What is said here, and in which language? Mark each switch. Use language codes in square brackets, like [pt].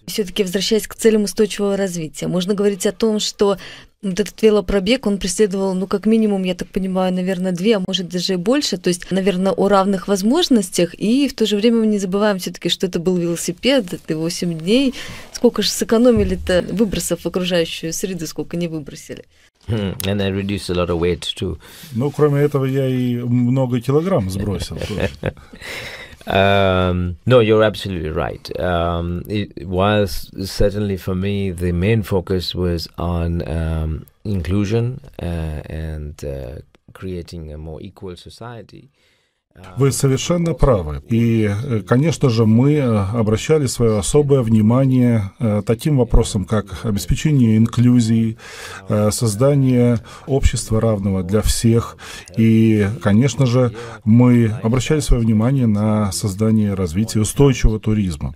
[ru] Все-таки, возвращаясь к целям устойчивого развития, можно говорить о том, что вот этот велопробег, он преследовал, ну, как минимум, я так понимаю, наверное, две, а может даже и больше, то есть, наверное, о равных возможностях, и в то же время мы не забываем все-таки, что это был велосипед, это 8 дней, сколько же сэкономили-то выбросов в окружающую среду, сколько не выбросили. [en] And I reduced a lot of weight too. [ru] Ну, кроме этого, я и много килограмм сбросил тоже. [en] No, you're absolutely right. It was certainly for me the main focus was on inclusion and creating a more equal society. [ru] Вы совершенно правы. И, конечно же, мы обращали свое особое внимание таким вопросам, как обеспечение инклюзии, создание общества равного для всех. И, конечно же, мы обращали свое внимание на создание развития устойчивого туризма.